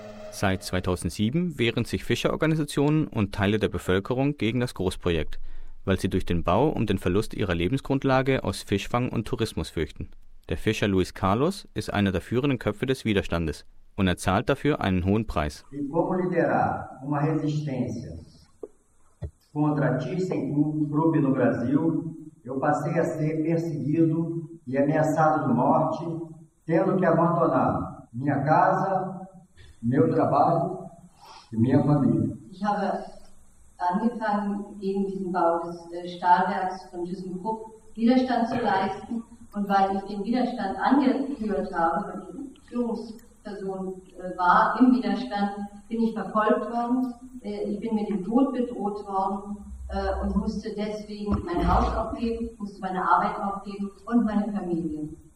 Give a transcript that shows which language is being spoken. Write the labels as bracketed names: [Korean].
[German] Seit 2007 wehren sich Fischerorganisationen und Teile der Bevölkerung gegen das Großprojekt, weil sie durch den Bau und den Verlust ihrer Lebensgrundlage aus Fischfang und Tourismus fürchten. Der Fischer Luis Carlos ist einer der führenden Köpfe des Widerstandes und er zahlt dafür einen hohen Preis. Wie kann man eine Resistenz gegen ThyssenKrupp in Brasilien? Ich [Portuguese] passei a ser perseguido e ameaçado de morte, tendo que abandonar minha casa, meu trabalho e minha família. [German] Ich habe angefangen, gegen diesen Bau des Stahlwerks von ThyssenKrupp Widerstand zu leisten. Und weil ich den Widerstand angeführt habe, weil die Führungsperson war im Widerstand, bin ich verfolgt worden. Ich bin mit dem Tod bedroht worden und musste deswegen mein Haus aufgeben, musste meine Arbeit aufgeben und meine Familie.